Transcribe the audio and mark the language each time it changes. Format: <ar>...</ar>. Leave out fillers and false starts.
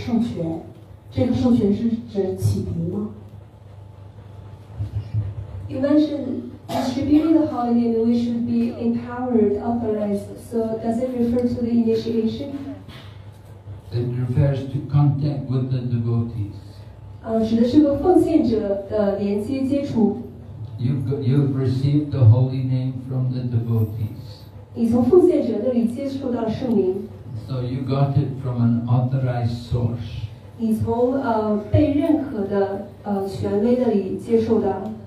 <zh>如果你这么做，你就有资质。您刚才讲到，就是传播圣名需要被授权，这个授权是指启迪吗？</zh> <en>You mentioned distributing the holy name, we should be empowered, authorized. So does it refer to the initiation? It refers to contact with the devotees.</en> <zh>指的是和奉献者的连接接触。</zh> <en>You've received the holy name from the devotees.</en> <zh>你从奉献者那里接触到圣名。</zh> <en>So you got it from an authorized source.</en> <zh>你从被认可的权威那里接受到。</zh>